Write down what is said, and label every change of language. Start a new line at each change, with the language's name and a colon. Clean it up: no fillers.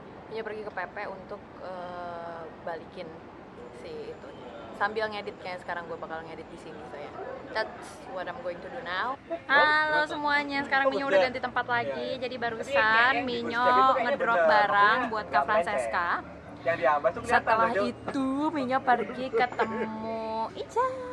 Indonesian: Minyo pergi ke Pepe untuk balikin si itu. Sambil ngedit, kayaknya sekarang gue bakal ngedit di sini, so ya.
English: That's what I'm going to do now.
Indonesian: Halo semuanya, sekarang Minyo udah ganti tempat lagi. Yeah. Jadi barusan Minyo ngedrop barang buat Kak Francesca. Setelah itu Minyo pergi ketemu Ica.